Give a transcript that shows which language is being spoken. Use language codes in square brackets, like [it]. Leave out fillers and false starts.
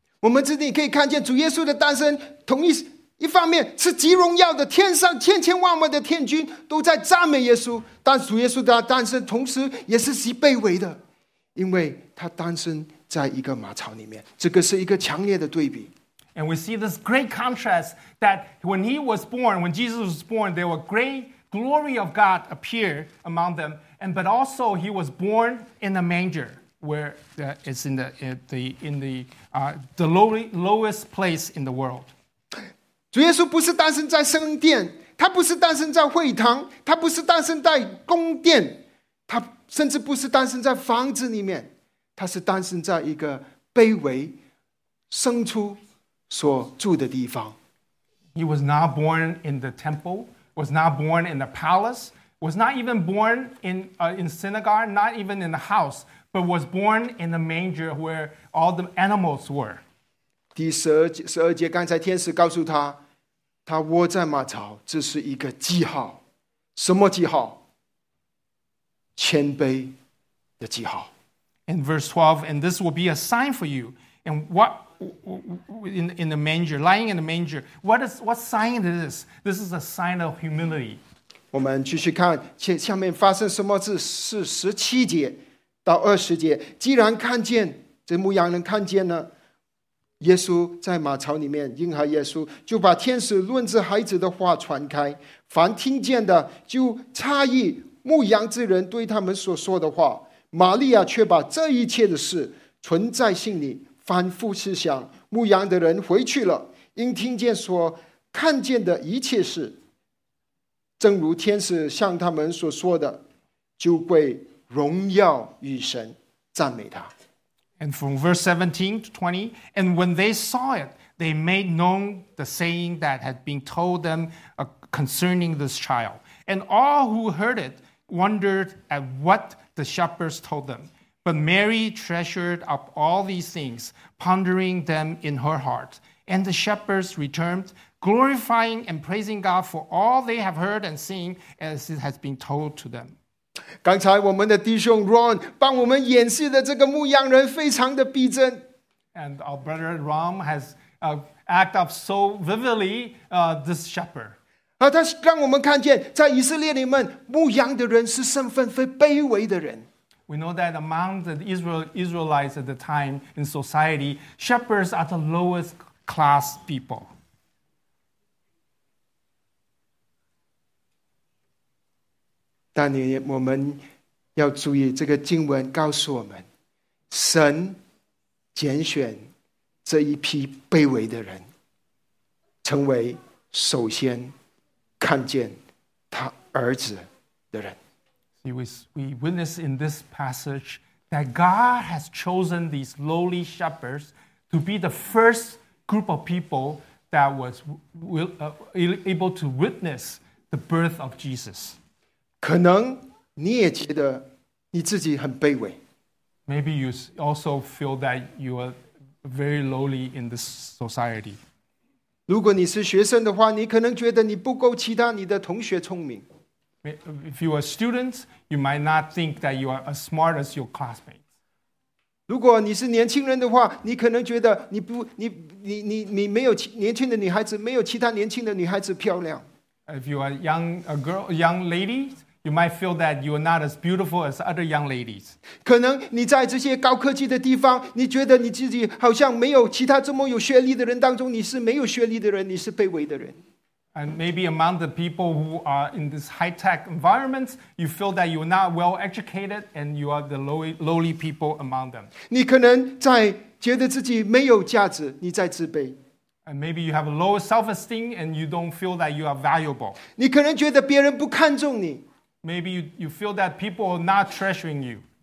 [zh] 我们这里可以看见主耶稣的诞生，同一。一方面是极荣耀的天上千千万万的天军都在赞美耶稣，但主耶稣的诞生同时也是极卑微的，因为他诞生在一个马槽里面。这个是一个强烈的对比。 [en] And we see this great contrast that when he was born, when Jesus was born, there was great glory of God appeared among them, and but also he was born in a manger where it's in the lowest place in the world. [zh] 主耶稣不是诞生在圣殿，他不是诞生在会堂，他不是诞生在宫殿，他甚至不是诞生在房子里面，他是诞生在一个卑微牲畜所住的地方。 [en] He was not born in the temple, was not born in the palace, was not even born in synagogue, not even in the house, but was born in the manger where all the animals were. [zh] 第十二节，刚才天使告诉他，他窝在马槽，这是一个记号，什么记号？谦卑的记号。 [en] In verse 12, and this will be a sign for you. And what in the manger, lying in the manger, what sign is this? This is a sign of humility. [zh] 我们继续看下面发生什么事，是十七节到二十节。既然看见这牧羊人看见了。耶稣在马槽里面，婴孩耶稣就把天使论着孩子的话传开，凡听见的就诧异牧羊之人对他们所说的话。玛利亚却把这一切的事存在心里，反复思想。牧羊的人回去了，因听见所看见的一切事，正如天使向他们所说的，就归荣耀与神，赞美他。 [en] And from verse 17 to 20, and when they saw it, they made known the saying that had been told them concerning this child. And all who heard it wondered at what the shepherds told them. But Mary treasured up all these things, pondering them in her heart. And the shepherds returned, glorifying and praising God for all they have heard and seen as it has been told to them. [zh] 刚才我们的弟兄 Ron 帮我们演示的这个牧羊人非常的逼真。 [en] And our brother Ron has acted up so vividly this shepherd. [zh] 他让我们看见在以色列里面牧羊的人是身份非卑微的人。 [en] We know that among the Israelites at the time in society, shepherds are the lowest class people. [zh] 但我们要注意，这个经文告诉我们，神拣选这一批卑微的人，成为首先看见他儿子的人。 [en] We witness in this passage that God has chosen these lowly shepherds to be the first group of people that was able to witness the birth of Jesus. [zh] 可能你也觉得你自己很卑微。 [en] Maybe you also feel that you are very lowly in this society. [zh] 如果你是学生的话，你可能觉得你不够其他你的同学聪明。 [en] If you are a student, you might not think that you are as smart as your classmates. [zh] 如果你是年轻人的话，你可能觉得你不，你没有年轻的女孩子，没有其他年轻的女孩子漂亮。 [en] If you are a young lady, you might feel that you are not as beautiful as other young ladies. [zh] 可能你在这些高科技的地方，你觉得你自己好像没有其他这么有学历的人当中，你是没有学历的人，你是卑微的人。 [en] And maybe among the people who are in this high-tech environment, you feel that you are not well-educated and you are the lowly people among them. [zh] 你可能在觉得自己没有价值，你在自卑。 [en] And maybe you have a low self-esteem and you don't feel that you are valuable. [zh] 你可能觉得别人不看重你。 [en] Maybe you feel that people are not treasuring you.